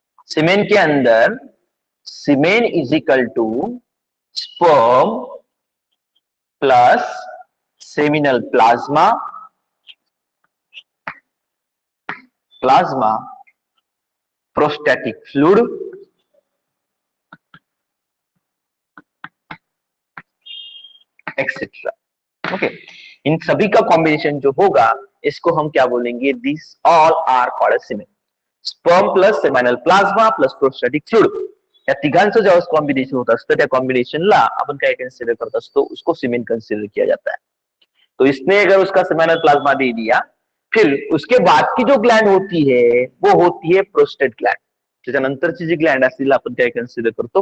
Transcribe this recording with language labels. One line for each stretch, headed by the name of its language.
Hindi: Semen के अंदर
English: Semen is equal to sperm plus seminal plasma prostatic fluid etcetera.
Hindi: Okay, इन सभी का combination जो होगा इसको हम क्या बोलेंगे?
English: This all are called semen.
Marathi: Sperm plus seminal plasma plus prostatic fluid या तिघांचं ज्यावेळेस कॉम्बिनेशन होत असतं त्या कॉम्बिनेशनला आपण काय कन्सिडर करत असतो?
Hindi: उसको सिमेन कन्सिडर किया जाता है. तो इसने अगर उसका सेमिनल प्लाज्मा दे दिया, फिर उसके बाद की जो ग्लैंड होती है वो होती है प्रोस्टेट ग्लैंड.
Marathi: त्याच्यानंतरची जी ग्लैंड असतील आपण काय कन्सिडर करतो?